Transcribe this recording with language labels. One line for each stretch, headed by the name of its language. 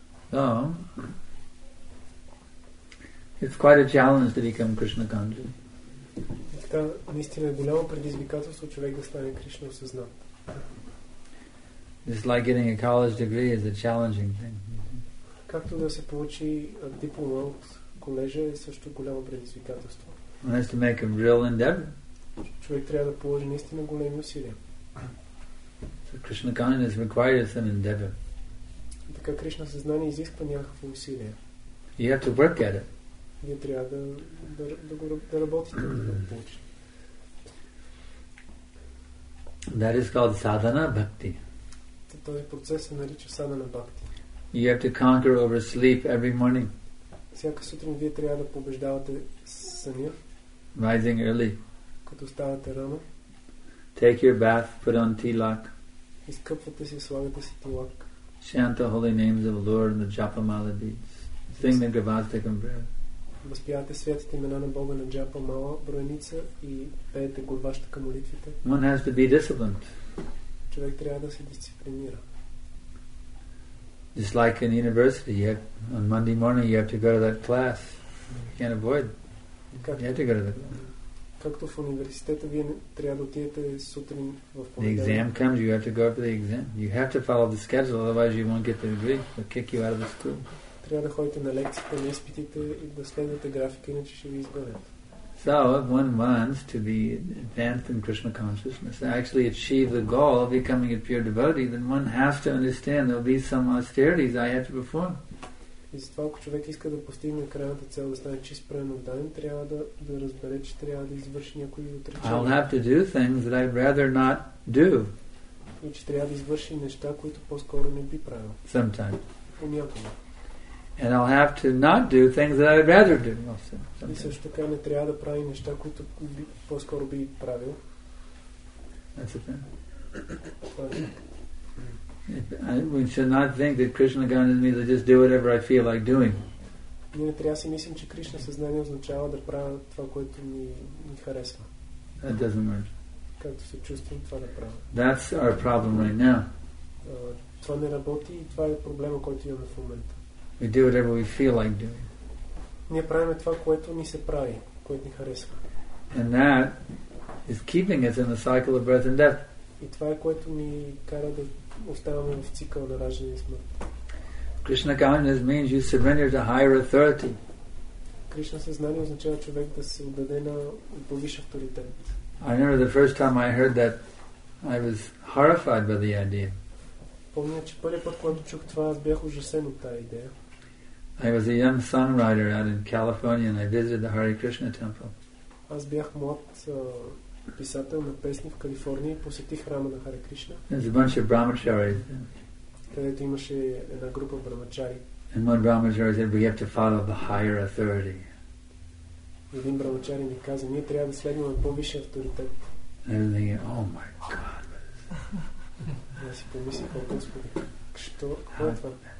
English: So, it's quite a challenge to become Krishna conscious.
Bulgarian: Наистина е голямо предизвикателство човек да стане Кришна осъзнат.
English: Just like getting a college degree is a challenging thing.
Bulgarian: Както да се получи диплома от колежа е също голямо предизвикателство.
English: One has to make a real endeavor.
Bulgarian: Човек трябва да положи наистина големи усилия.
English: So Krishna consciousness requires an endeavor.
Bulgarian: Така Кришна съзнание изисква някакво усилие.
English: You have to work at it.
Bulgarian: Вие трябва да работите да го получите.
English: That is called sadhana bhakti.
Bulgarian: Този процес се нарича sadhana bhakti.
English: You have to conquer over sleep every morning.
Bulgarian: Всяка сутрин вие трябва да побеждавате съня.
English: Rising early.
Bulgarian: Като ставате рано.
English: Take your bath, put on tilak.
Bulgarian: Изкъпвате се, слагате си тилак.
English: Chant the holy names of the Lord and the japa mala beads. Sing the gavastakam prayer.
Bulgarian: Възпявате святите имена на Бога на джапа мала броеница и пеете горбаща към молитвите.
English: One has to be disciplined.
Bulgarian: Човек трябва да се дисциплинира.
English: Just like in university, you have, on Monday morning you have to go to that class. You can't avoid. You have to go to that.
Bulgarian: Както в университета вие трябва да отидете сутрин в понеделник.
English: The exam comes, you have to go for the exam. You have to follow the schedule, otherwise you won't get the degree. They'll kick you out of the school.
Bulgarian: Трябва да ходите на лекциите, на изпитите и да следвате графика, иначе ще ви изгонят.
English: So, if one wants to be advanced in Krishna consciousness, actually achieve the goal of becoming a pure devotee, then one has to understand there'll be some austerities I have to perform.
Bulgarian: И затова, ако човек иска да постигне крайната цел да стане чист праведен, трябва да разбере, че трябва да извърши някои отречения.
English: I'll have to do things that I'd rather not do.
Bulgarian: И че трябва да извърши неща, които по-скоро не би правил.
English: Sometimes.
Bulgarian: Понякога.
English: And I'll have to not do things that I'd rather do. Also,
Bulgarian: и също така не трябва да прави неща, които по-скоро би правил.
English: That's it. We should not think that Krishna consciousness means I just do whatever I feel like doing.
Bulgarian: Ние не трябва да си мислим, че Кришна съзнание означава да правя това, което ми харесва.
English: That doesn't work.
Bulgarian: Както се чувствам, това да правя.
English: That's our problem right now.
Bulgarian: Това не работи и това е проблема, който имаме в момента.
English: We do whatever we feel like doing.
Bulgarian: Ние правим това, което ни се прави, което ни харесва.
English: And that is keeping us in the cycle of birth and death.
Bulgarian: И това е, което ни кара да оставаме в цикъл на раждане и смърт.
English: Krishna consciousness means you surrender to higher authority.
Bulgarian: Кришна съзнание означава човек да се отдаде на повиш авторитет.
English: I remember the first time I heard that, I was horrified by the idea.
Bulgarian: Помня, че първият път, когато чух това, аз бях ужасен от тази идея.
English: I was a young songwriter out in California and I visited the Hare Krishna temple.
Bulgarian: Аз бях млад писател на песни в Калифорния и посетих храма на Хари Кришна.
English: There's a bunch of brahmacharis.
Bulgarian: Където имаше една група брамачари.
English: And one brahmachari said, we have to follow the higher authority.
Bulgarian: Един брамачари ми каза, ние трябва да следим по-висше авторитет.
English: And I'm thinking, oh my God.
Bulgarian: Аз си помислих, о Господи, що е това?